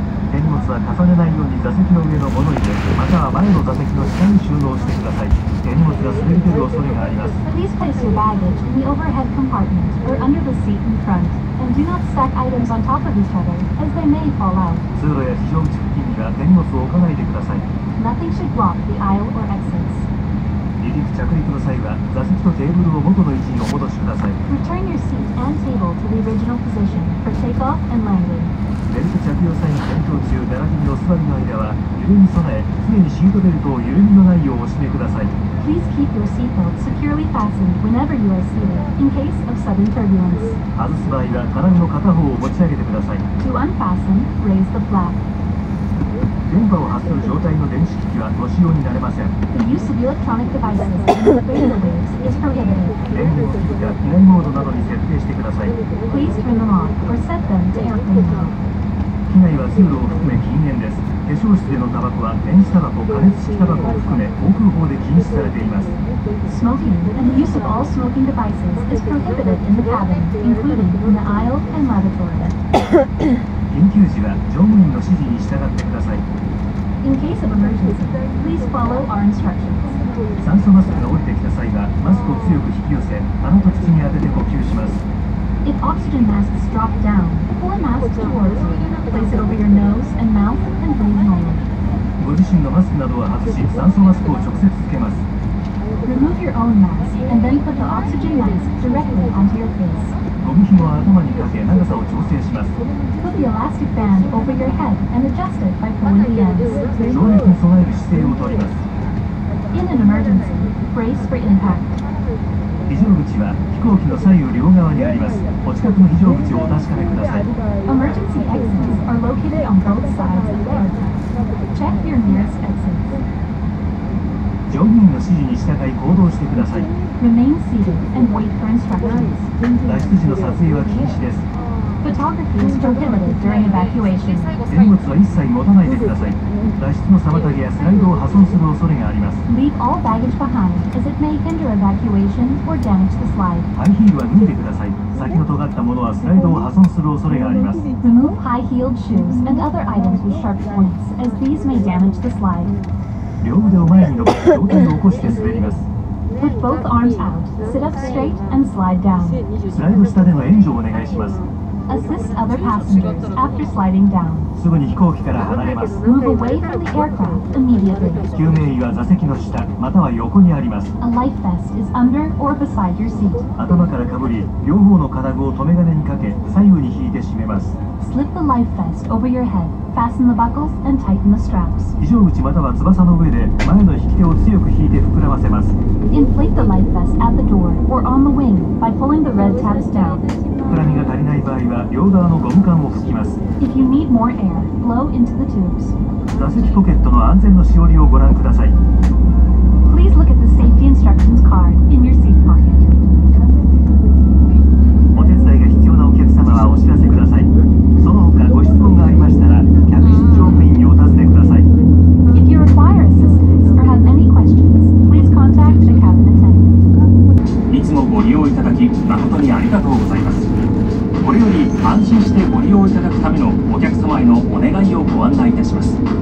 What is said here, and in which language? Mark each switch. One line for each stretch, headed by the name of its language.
Japanese: 手荷物は重ねないように座席の上の物入れ、または前の座席の下に収納してください。手荷物が滑り出る恐れがあります。
English: Please place your baggage in the overhead compartment or under the seat in front. And do not stack items on top of each other, as they may fall out.
Japanese: 通路や非常口付近には手荷物を置かないでください。
English: Nothing should block the aisle or exits.
Japanese: 離陸着陸の際は、座席とテーブルを元の位置にお戻しください。
English: Return your seat and table to the original position for takeoff and landing.
Japanese: ベルト着用際に検討中、並びにお座りの間は、揺れに備え、常にシートベルトを緩みのないようお締めください。
English: Please keep your seatbelt securely fastened whenever you are seated, in case of sudden turbulence.
Japanese: 外す場合は金具の片方を持ち上げてください。
English: To unfasten, raise the flap.
Japanese: 電波を発する状態の電子機器はご使用になれません。
English: The use of electronic devices and radio waves is prohibited.
Japanese: 電源を切るか、機内モードなどに設定してください。
English: Please turn them off or set them to airplane mode.
Japanese: 機内は通路を含め禁煙です。化粧室でのタバコは電子タバコ、加熱式タバコを含め航空法で禁止されています。
English: Smoking and the use of all smoking devices is prohibited in the cabin, including in the aisle and lavatory.
Japanese: 緊急時は乗務員の指示に従ってください。
English: In case of emergency, please follow our instructions.
Japanese: 酸素マスクが降りてきた際はマスクを強く引き寄せ、鼻と口に当てて呼吸します。
English: If oxygen masks drop down, pull a mask towards you. Place it over your nose and mouth and breathe normally.
Japanese: ご自身のマスクなどは外し、酸素マスクを直接つけます。
English: Remove your own mask and then put the oxygen mask directly onto your face.
Japanese: ゴム紐は頭にかけ、長さを調整します。
English: Put the elastic band over your head and adjust it by pulling the ends.
Japanese: 衝撃に備える姿勢をとります。
English: In an emergency, brace for impact.
Japanese: 非常口は飛行機の左右両側にあります。お近くの非常口をお確かめください。
English: Emergency exits are located on both sides of the aircraft. Check your nearest exits.
Japanese: 乗務員の指示に従い行動してください。
English: Remain seated and wait for instructions.
Japanese: 脱出時の撮影は禁止です。
English: Photography is prohibited during evacuation.
Japanese: 荷物は一切持たないでください。脱出の妨げやスライドを破損する恐れがあります。
English: Leave all baggage behind, as it may hinder evacuation or damage the slide.
Japanese: ハイヒールは脱いでください。先の尖ったものはスライドを破損する恐れがあります。
English: Remove high-heeled shoes and other items with sharp points, as these may damage the slide.
Japanese: 両腕を前に伸ばし、上体を起こして滑ります。
English: Put both arms out, sit up straight and slide down.
Japanese: スライド下での援助をお願いします。
English: Assist other passengers after sliding down.
Japanese: すぐに飛行機から離れます。
English: Move away from the aircraft immediately.
Japanese: 救命衣は座席の下、または横にあります。
English: A life vest is under or beside your seat.
Japanese: 頭からかぶり、両方の金具を留め金にかけ、左右に引いて締めます。
English: Slip the life vest over your head. Fasten the buckles and tighten the straps.
Japanese: 非常口または翼の上で、前の引き手を強く引いて膨らませます。
English: Inflate the life vest at the door or on the wing by pulling the red tabs down.
Japanese: 膨らみが足りない場合は両側のゴム管を拭きます。
English: If you need more air, blow into the tubes.
Japanese: 座席ポケットの安全のしおりをご覧ください。
English: Please look at the safety instructions card in your seat pocket.
Japanese: お手伝いが必要なお客様はお知らせください。その他ご質問がありましたら、客室乗務員にお尋ねください。
English: If you require assistance or have any questions, please contact the cabin attendant.
Japanese: いつもご利用いただき誠にありがとうございます。これより安心してご利用いただくためのお客様へのお願いをご案内いたします。